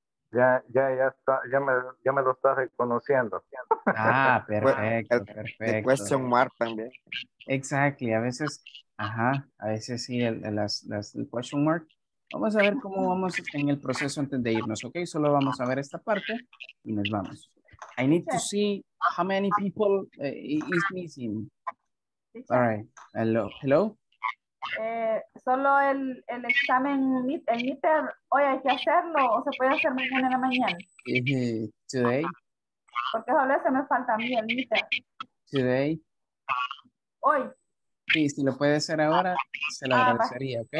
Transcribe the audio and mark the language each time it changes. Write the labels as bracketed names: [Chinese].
[Spanish] Ya me lo estás reconociendo. Ah, perfecto. El question mark también. [English] Exactly, [Spanish] a veces sí, el question mark. Vamos a ver cómo vamos en el proceso de irnos, ¿ok? Solo vamos a ver esta parte y nos vamos. [English] I need to see how many people is missing. All right, hello. [Spanish] Solo el examen, el meter, hoy hay que hacerlo, o se puede hacer mañana en la mañana. [English] Today. [Spanish] Porque solo ese me falta a mí, el meter. [English] Today. [Spanish] Hoy. Sí, si lo puede hacer ahora, se lo agradecería, ¿ok?